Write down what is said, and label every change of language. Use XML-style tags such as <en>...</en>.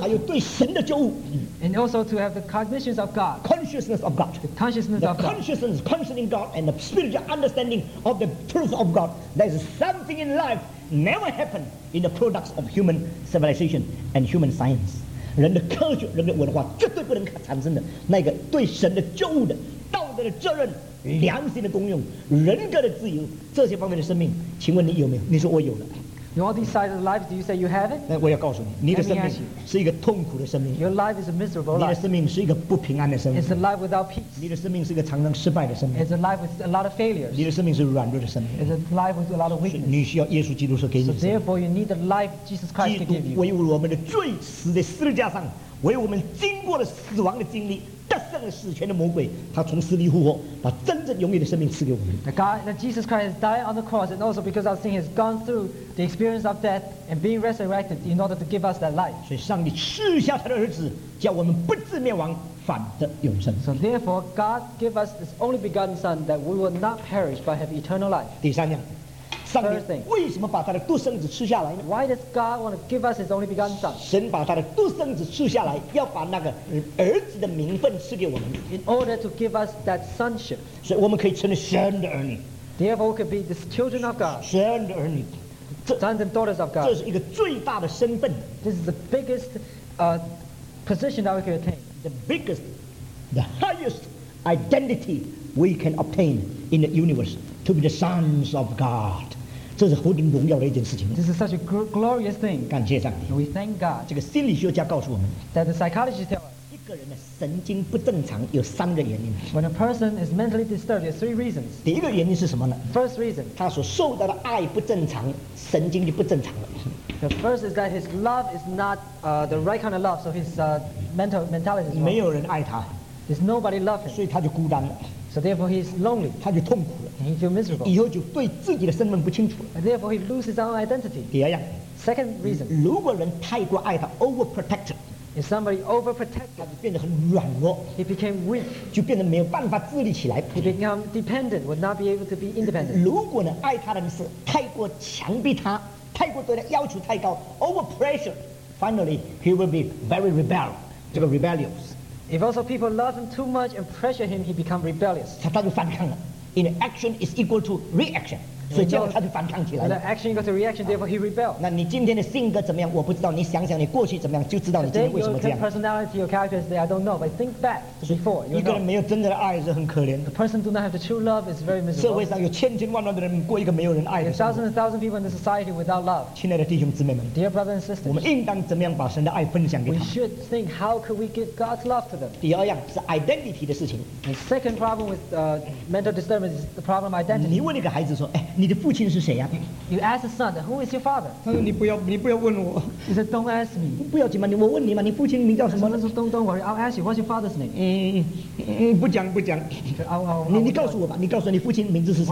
<zh>还有对神的觉悟。</zh> <en>And also to have the cognitions of God. Consciousness of God. The consciousness of God. The consciousness concerning God and the spiritual understanding of the truth of God. There is something in life. Never happen in the products of human civilization and human science.</en> <zh>人的科学、人的文化绝对不能产生的那个对神的觉悟的、道德的责任、良心的功用、人格的自由这些方面的生命，请问你有没有？你说我有了。</zh> <en>You all decide the life. Do you say you have it?</en> <zh>那我要告诉你，你的生命是一个痛苦的生命。</zh> <en>Your life is a miserable life.</en> <zh>你的生命是一个不平安的生命。</zh> <en>It's a life without peace.</en> <zh>你的生命是一个常常失败的生命。</zh> <en>It's a life with a lot of failures.</en> <zh>你的生命是软弱的生命。</zh> <en>It's a life with a lot of weakness.</en> <zh>你需要耶稣基督所给你的。</zh> <en>So therefore, you need the life Jesus Christ can give you.</en> <zh>基督为我们的罪死在十字架上，为我们经过了死亡的经历。得胜了死权的魔鬼，他从死里复活，把真正永远的生命赐给我们。</zh> <en>The God, that Jesus Christ has died on the cross, and also because of sin, has gone through the experience of death and being resurrected in order to give us that life.</en> <zh>所以上帝赐下他的儿子，叫我们不至灭亡，反得永生。</zh> <en>So therefore, God gave us His only begotten Son, that we will not perish but have eternal life.</en> <zh>第三样，上帝为什么把他的独生子赐下来呢？</zh> <en>Why does God want to give us His only begotten Son?</en> <zh>神把他的独生子赐下来，要把那个儿子的名分赐给我们。</zh> <en>In order to give us that sonship.</en> <zh>所以我们可以成为神的儿女。</zh> <en>Therefore, we could be the children of God.</en> <zh>神的儿女。</zh> <en>Sons and daughters of God.</en> <zh>这是一个最大的身份。</zh> <en>This is the biggest, position that we can attain. The biggest, the highest identity we can obtain in the universe. To be the sons of God.</en> <zh>这是何等荣耀的一件事情。</zh> <en>This is such a glorious thing.</en> <zh>感谢上帝。</zh> <en>We thank God.</en> <zh>这个心理学家告诉我们。</zh> <en>That the psychologist tell us.</en> <zh>一个人的神经不正常有三个原因。</zh> <en>When a person is mentally disturbed, there are three reasons.</en> <zh>第一个原因是什么呢？</zh> <en>First reason.</en> <zh>他所受到的爱不正常，神经就不正常了。</zh> <en>The first is that his love is not the right kind of love, so his mentality is wrong.</en> <zh>没有人爱他。</zh> <en>There's nobody loving.</en> <zh>所以他就孤单了。</zh> <en>So therefore he's lonely.</en> <zh>他就痛苦了。</zh> <en>And he feels miserable.</en> <zh>以后就对自己的身份不清楚了。</zh> <en>And therefore he loses his own identity.</en> <zh>第二样。</zh> <en>Second reason.</en> <zh>如果人太过爱他 ，overprotected。</zh> <en>If somebody overprotected,</en> <zh>他就变得很软弱。</zh> <en>He became weak.</en> <zh>就变得没有办法自立起来。</zh> <en>He became dependent, would not be able to be independent.</en> <zh>如果呢，爱他的人是太过强逼他，太过对他要求太高 ，overpressure.</zh> <en>Finally, he will be very rebellious. If also people love him too much and pressure him, he become rebellious.</en> <zh>他就反抗了。</zh> <en>In action is equal to reaction.</en> <zh>所以结果他就反抗起来了。</zh> <en>The action equals reaction, therefore he rebelled.</en> <zh>那你今天的性格怎么样？我不知道。你想想你过去怎么样，就知道你今天为什么这样。</zh> <en>Your personality, your character is there, I don't know. But think back to before.</en> <zh>一个人没有真正的爱是很可怜的。</zh> <en>The person do not have the true love is very miserable.</en> <zh>社会上有千千万万的人过一个没有人爱的。</zh> <en>There are thousands and thousands of people in the society without love.</en> <zh>亲爱的弟兄姊妹们</zh> <en>，Dear brothers and sisters,</en> <zh>我们应当怎么样把神的爱分享给他们</zh> <en>？We should think how could we give God's love to them.</en> <zh>第二样是 identity 的事情。</zh> <en>The second problem with mental disturbance is the problem of identity.</en> <zh>你问一个孩子说，哎。你的父亲是谁呀、</zh> <en>啊、？You ask the son, who is your father?</en> <zh>他说你不要问我。</zh> <en>He said, don't ask me.</en> <zh>不要紧嘛，我问你嘛，你父亲名叫什么？他说</zh> <en>don't worry, I'll ask you, what's your father's name?</en> <zh>不讲。你告诉我吧，你告诉你父亲名字是谁</zh>